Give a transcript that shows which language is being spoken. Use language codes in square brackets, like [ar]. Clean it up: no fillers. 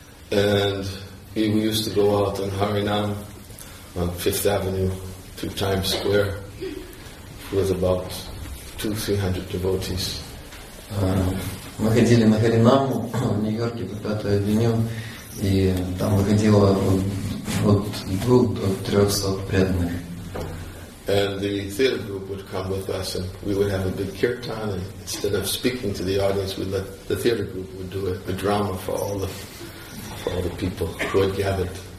[en] And we used to go out on Harinam on Fifth Avenue through Times Square with about 200-300 devotees. [ru] Мы ходили на Харинам в Нью-Йорке по Пятой Авеню, и там выходило от 200-300 преданных. [en] And the theater group would come with us, and we would have a big kirtan. And instead of speaking to the audience, we'd let the theater group would do a drama for all the people who had gathered.